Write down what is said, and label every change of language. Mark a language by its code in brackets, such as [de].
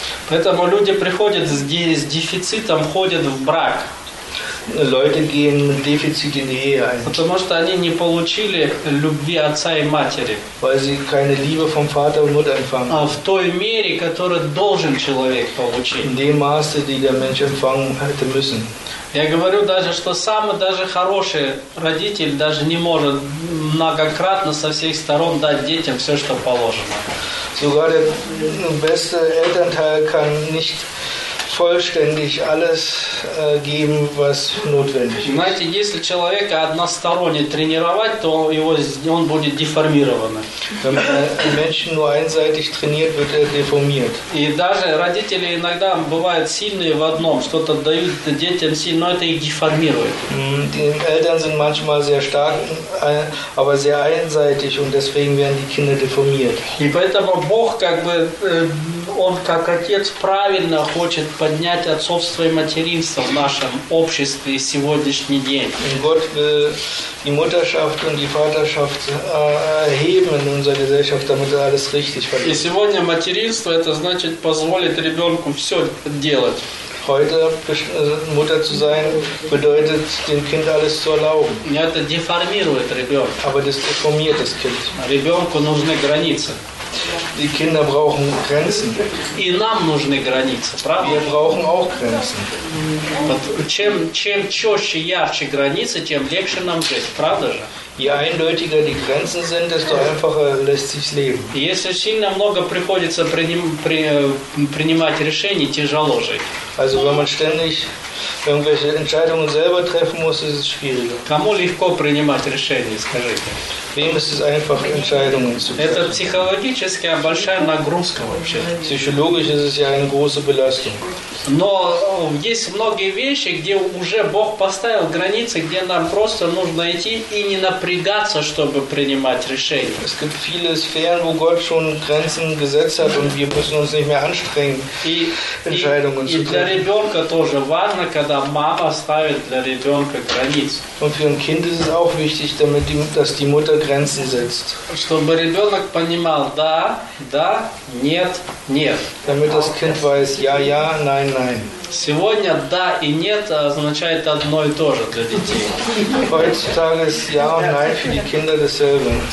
[ru] Поэтому люди приходят с дефицитом, ходят в брак. [de] Leute gehen mit Defizit in die Ehe. [ru] Потому что они не получили любви отца и матери. [de] Weil sie keine Liebe vom Vater und Mutter empfangen. [ru] А в той мере, которую должен человек получить. [de] In dem Maße, die der Mensch empfangen hätte müssen. [ru] Я говорю даже, что самый даже хороший родитель даже не может многократно со всех сторон дать детям все, что положено. [de] Sogar der beste Elternteil kann nicht vollständig alles geben, was notwendig ist. [ru] Знаете, если человека односторонне тренировать, то он будет деформирован. [de] Wenn man Menschen nur einseitig trainiert, wird deformiert. [ru] И даже родители иногда бывают сильные в одном, что-то дают детям сильно, но это их деформирует. [de] Die Eltern sind manchmal sehr stark, aber sehr einseitig und deswegen werden die Kinder deformiert. [ru] И поэтому Бог как бы Он как отец правильно хочет поднять отцовство и материнство в нашем обществе в сегодняшний день. [de] Gott will die Mutterschaft und die Vaterschaft erheben in unserer Gesellschaft, damit alles richtig wird. [ru] И сегодня материнство это значит позволить ребенку все делать. [de] Heute Mutter zu sein bedeutet dem Kind alles zu erlauben. Ja, [ru] это деформирует ребенка. [de] Aber das deformiert das Kind. [ru] Ребенку нужны границы. [de] Die Kinder brauchen Grenzen. [ru] И нам нужны границы, правда? [de] Wir brauchen auch Grenzen. [ru] Чем чёстче, ярче границы, тем легче нам жить, правда же? [de] Je eindeutiger die Grenzen sind, desto einfacher lässt sich leben. [ru] Если сильно много приходится принимать решения, тяжело жить. [de] Also wenn man ständig irgendwelche Entscheidungen selber treffen muss, ist es schwieriger. [ru] Кому легко принимать решения, скажите? [de] Wem ist es einfach, Entscheidungen zu treffen? [ru] Это психологически большая нагрузка вообще. [de] Psychologisch ist es ja eine große Belastung. [ru] Но есть многие вещи, где уже Бог поставил границы, где нам просто нужно идти и не напрягаться, чтобы принимать решения. [de] Es gibt viele Sphären, wo Gott schon Grenzen gesetzt hat und wir müssen uns nicht mehr anstrengen, Entscheidungen zu treffen. [ru] И для ребенка тоже важно, когда мама ставит для ребенка границы. [de] Und für ein Kind ist es auch wichtig, damit dass die Mutter Grenzen setzt. [ru] Чтобы ребенок понимал, да, да, нет, нет. [de] Damit das Kind weiß, ja, ja, nein, nein. [ru] Сегодня «да» и «нет» означает одно и то же для детей. [de] Heutzutage ist «ja» und «nein» für die Kinder dasselbe.